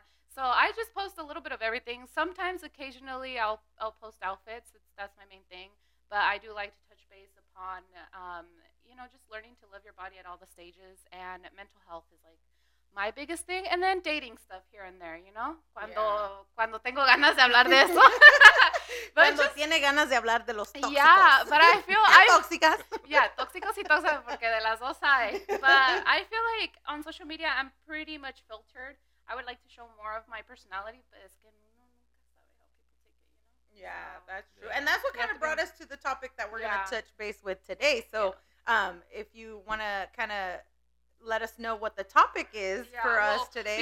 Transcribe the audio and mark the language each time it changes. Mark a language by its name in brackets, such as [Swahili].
[English] So I just post a little bit of everything. Sometimes, occasionally, I'll post outfits. That's my main thing. But I do like to touch base upon, you know, just learning to love your body at all the stages. And mental health is, like, my biggest thing. And then dating stuff here and there, you know? [Spanish] Cuando tengo ganas de hablar de eso. Cuando tiene ganas de hablar de los tóxicos. [English] Yeah, but I feel... [Spanish] tóxicas. Yeah, tóxicos y tóxicas, porque de las dos hay. [English] But I feel like on social media, I'm pretty much filtered. I would like to show more of my personality, but it's getting how people take it, you know? Yeah, so, that's true. And that's what kind of brought us to the topic that we're yeah. going to touch base with today. So if you want to kind of let us know what the topic is for us today,